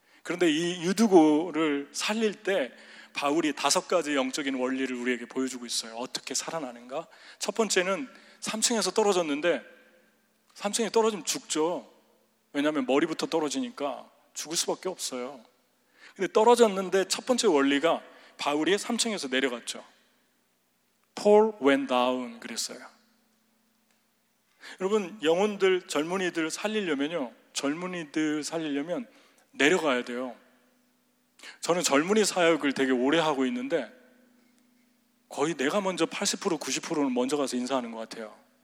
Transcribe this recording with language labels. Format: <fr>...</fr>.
<ko>그런데 이 유두고를 살릴 때 바울이 다섯 가지 영적인 원리를 우리에게 보여주고 있어요. 어떻게 살아나는가? 첫 번째는 3층에서 떨어졌는데 3층에 떨어지면 죽죠. 왜냐하면 머리부터 떨어지니까 죽을 수밖에 없어요. 근데 떨어졌는데 첫 번째 원리가 바울이 3층에서 내려갔죠.</ko> <en>Paul went down 그랬어요.</en> <ko>여러분 영혼들 젊은이들 살리려면요 젊은이들 살리려면 내려가야 돼요. 저는 젊은이 사역을 되게 오래 하고 있는데 거의 내가 먼저 80% 90%는 먼저 가서 인사하는 것 같아요.</ko>